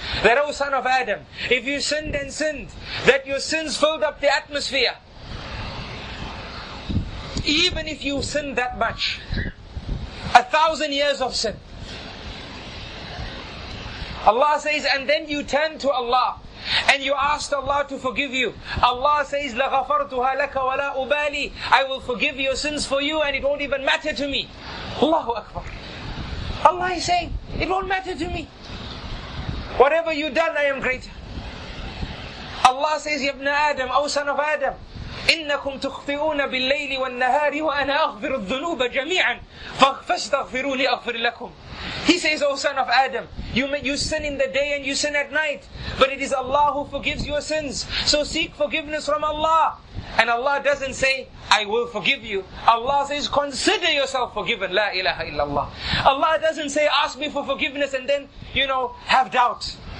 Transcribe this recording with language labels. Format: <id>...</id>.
<en>That O son of Adam, if you sinned and sinned, that your sins filled up the atmosphere, even if you sinned that much, 1,000 years of sin, Allah says, and then you turn to Allah and you asked Allah to forgive you.</en> <ar>Allah says, لَغَفَرْتُهَا لَكَ وَلَا أُبَالِي.</ar> <en>I will forgive your sins for you and it won't even matter to me. Allahu Akbar. Allah is saying, it won't matter to me. Whatever you've done, I am greater.</en> <ar>Allah says, يَا ابْنَ آدَمْ,</ar> <en>O son of Adam,</en> <ar>إِنَّكُمْ تُخْطِئُونَ بِاللَّيْلِ وَالنَّهَارِ وَأَنَا أَغْفِرُ الذُّنُوبَ جَمِيعًا فَاسْتَغْفِرُوا لِي أَغْفِرْ لَكُمْ.</ar> <en>He says, O son of Adam, you sin in the day and you sin at night, but it is Allah who forgives your sins. So seek forgiveness from Allah. And Allah doesn't say, I will forgive you. Allah says, consider yourself forgiven. La ilaha illallah. Allah doesn't say, ask me for forgiveness and then, you know, have doubt.</en>